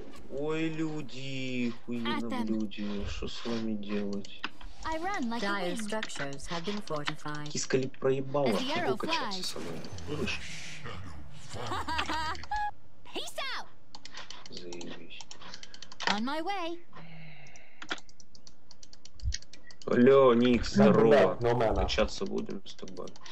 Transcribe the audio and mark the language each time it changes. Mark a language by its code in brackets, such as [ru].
[ru] Ой, люди, хуйня, люди, что с вами делать? [en] Dire structures have been fortified. [ru] Кискалип проебала, чтобы качаться со мной. [en] Peace out. On my way. [ru] Алло, Никс, здорово. [en] No, no, no. [ru] Качаться будем с тобой.